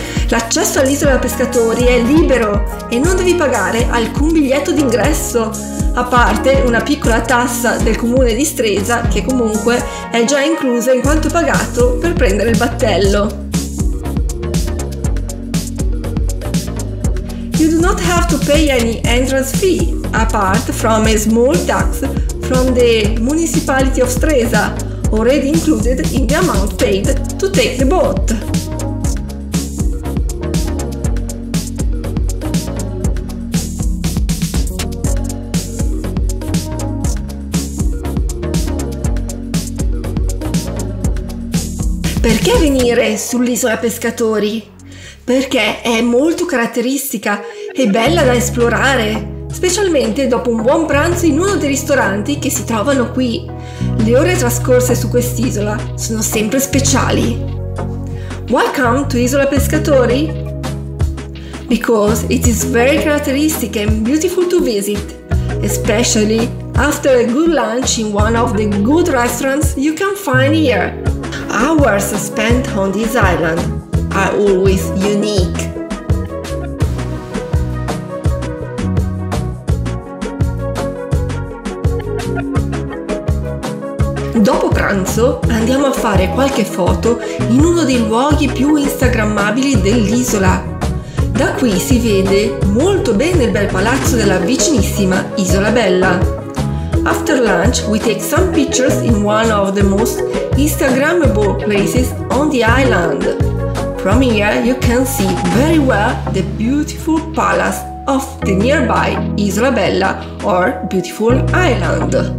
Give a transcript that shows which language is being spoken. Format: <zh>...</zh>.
<it>L'accesso all'Isola Pescatori è libero e non devi pagare alcun biglietto d'ingresso, a parte una piccola tassa del comune di Stresa che comunque è già inclusa in quanto pagato per prendere il battello.</it> <en>You do not have to pay any entrance fee apart from a small tax from the municipality of Stresa, already included in the amount paid to take the boat.</en> <it>Perché venire sull'Isola Pescatori? Perché è molto caratteristica e bella da esplorare, specialmente dopo un buon pranzo in uno dei ristoranti che si trovano qui. Le ore trascorse su quest'isola sono sempre speciali.</it> <en>Welcome to Isola Pescatori! Because it is very characteristic and beautiful to visit, especially after a good lunch in one of the good restaurants you can find here. Hours spent on this island are always unique.</en> <it>Dopo pranzo andiamo a fare qualche foto in uno dei luoghi più instagrammabili dell'isola. Da qui si vede molto bene il bel palazzo della vicinissima Isola Bella.</it> <en>After lunch, we take some pictures in one of the most Instagrammable places on the island. From here you can see very well the beautiful palace of the nearby Isola Bella or beautiful island.</en>